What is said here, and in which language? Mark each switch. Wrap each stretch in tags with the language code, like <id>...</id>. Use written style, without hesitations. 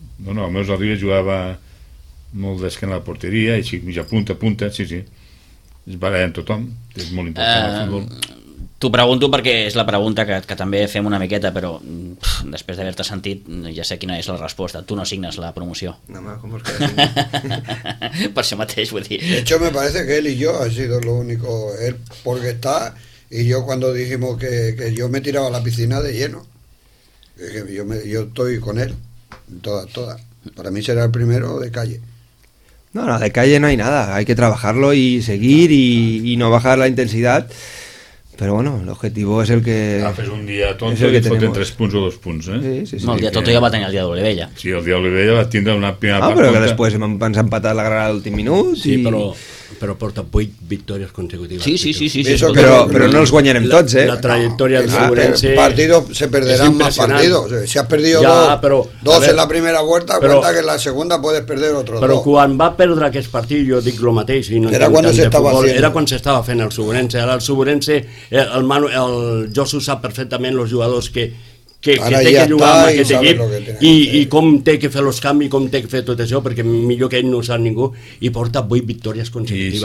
<ca>No, no, el Meus Rodríguez jugava molt d'esquena a la porteria, així mitja punta, punta, sí, sí. Es baralla amb tothom, és molt important el futbol. T'ho pregunto perquè és la pregunta que també fem una miqueta, però després d'haver-te sentit ja sé quina és la resposta. Tu no signes la promoció.</ca> <es>No, ma, ¿cómo es que</es> <ca>la Per això mateix, vull dir.</ca> <es>De hecho, me parece que él y yo ha sido lo único. Él porque está y yo cuando dijimos que yo me tiraba a la piscina de lleno. Yo estoy con él. Toda. Para mí será el primero de calle. No, no, de calle no hay nada. Hay que trabajarlo y seguir y no bajar la intensidad.</es> <ca>Però bueno, l'objectiu és el que... Agafes un dia tonto i et foten 3 punts o 2 punts, eh? Sí. No, el dia tonto ja va tenir el dia d'Olivella. Sí, el dia d'Olivella va tindre una primera part. Ah, però que després ens ha empatat la Granada l'últim minut. Sí, però porta 8 victòries consecutives. Sí. Però no els guanyarem tots, eh? La trajectòria del Figueirense...</ca> <es>Partidos se perderán más partidos. Si has perdido 2 en la primera vuelta, cuenta que en la segunda puedes perder otro 2.</es> <ca>Però quan va perdre aquest partit, jo dic el mateix. Era quan s'estava fent el Figueirense. Ara el Figueirense... El Josu sap perfectament els jugadors que té que jugar amb aquest equip i com té que fer els canvis, com té que fer tot això, perquè millor que ell no ho sap ningú, i porta 8 victòries consecutives.</ca>